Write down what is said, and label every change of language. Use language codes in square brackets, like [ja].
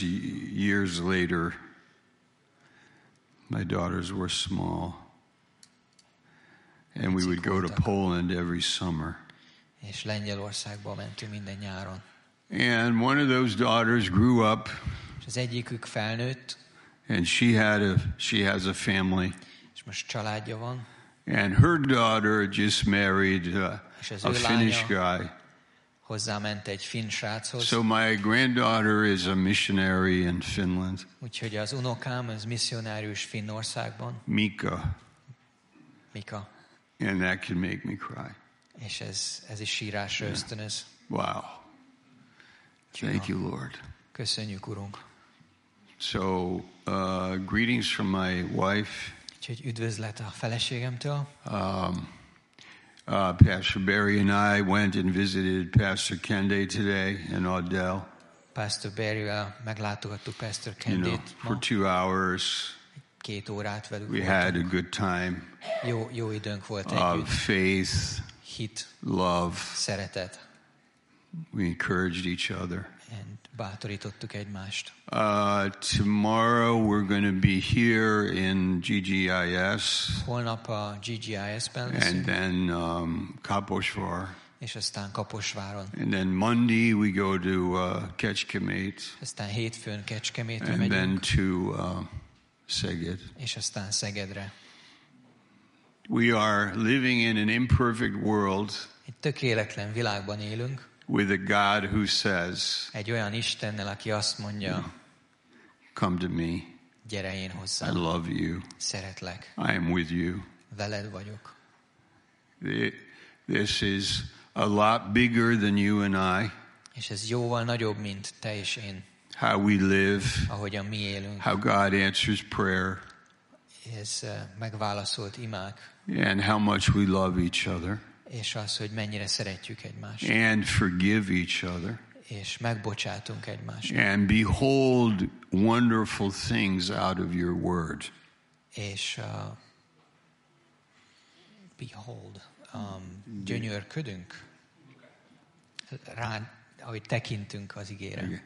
[en] years later, my daughters were small, and we would go to Poland every summer. [hu] És Lengyelországba mentünk minden nyáron. [en] And one of those daughters grew up. [hu] És az egyikük felnőtt. [en] And she has a family. [hu] És most családja van. [en] And her daughter just married a Finnish guy. [hu] Hozzáment egy finn sráchoz. [en] So my granddaughter is a missionary in Finland. [hu] Úgyhogy az unokám az misszionárius Finnországban. [en] Mika. And that can make me cry. [hu] És ez is sírásra ösztönöz. [en] Wow. Thank you, Lord. [hu] Köszönjük, Urunk. [en] So, greetings from my wife. [hu] Úgyhogy üdvözlet a feleségemtől. [en] Pastor Barry and I went and visited Pastor Kende today in Odell. [hu] Pastor Barry, meglátogattuk Pastor Kendét. [en] You know, for 2 hours. [hu] Két órát velük. [en] We had a good time. [hu] Jó időnk volt együtt. [en] Of faith, [hu] hit, [en] love, [hu] szeretet. [en] We encouraged each other. And [hu] bátorítottuk egymást. [en] Tomorrow we're going to be here in GGIS. [hu] Holnap a GGIS-ben leszünk. [en] And then Kaposvár. [hu] És aztán Kaposváron. [en] And then Monday we go to Kecskemét. [hu] Aztán hétfőn Kecskemétre megyünk. [en] And then to Szeged. [hu] És aztán Szegedre. [en] We are living in an imperfect world. [hu] Egy tökéletlen világban élünk. [en] With a God who says, [hu] egy olyan Istennel, aki azt mondja, [en] come to me. [hu] Gyere én hozzám. [en] I love you. [hu] Szeretlek. [en] I am with you. [hu] Veled vagyok. [en] This is a lot bigger than you and I. [hu] És ez jóval nagyobb, mint te és én. [en] How we live. [hu] Ahogyan mi élünk. [en] How God answers prayer. [hu] És megválaszolt imák. [en] And how much we love each other. [hu] És az, hogy mennyire szeretjük egymást. [en] And forgive each other. [hu] És megbocsátunk egymást. [en] And behold wonderful things out of your word. [hu] És [en] behold, [hu] gyönyörködünk rá, ahogy tekintünk az igére.